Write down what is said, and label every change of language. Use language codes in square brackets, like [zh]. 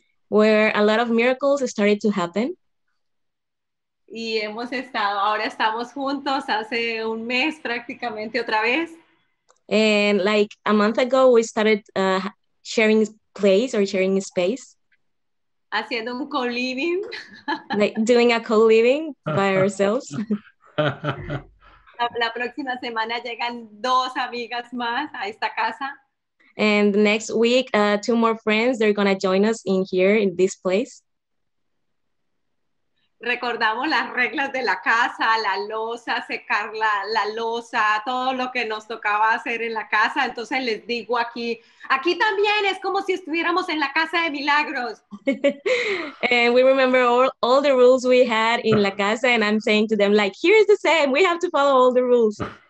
[en] Where a lot of miracles started to happen. [es] Y hemos estado, ahora estamos juntos hace un mes prácticamente otra vez. [en] And like a month ago we started sharing place or sharing space. [es] Haciendo un co-living. [en] Like doing a co-living by ourselves. [es] La próxima semana llegan dos amigas más a esta casa. [en] And next week, two more friends, they're going to join us in here, in this place. [es] Recordamos las reglas de la casa, la losa, secar la losa, todo lo que nos tocaba hacer en la casa. Entonces les digo aquí también es como si estuviéramos en la Casa de Milagros. [en] And we remember all the rules we had in la casa, and I'm saying to them, like, here's the same, we have to follow all the rules.